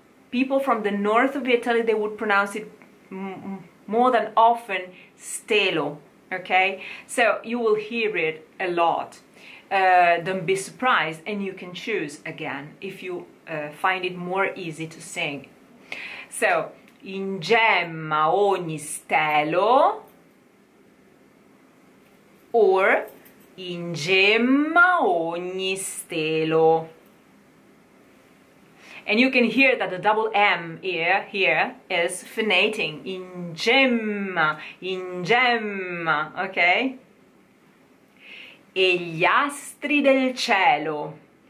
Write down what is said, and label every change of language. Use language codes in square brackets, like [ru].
[en] People from the north of Italy, they would pronounce it more than often, stelo, okay? So you will hear it a lot. Don't be surprised, and you can choose again if you find it more easy to sing. [it] So, in gemma ogni stelo, or in gemma ogni stelo. [en] And you can hear that the double M here is phonating. [it] In gemma, okay? E gli astri del cielo.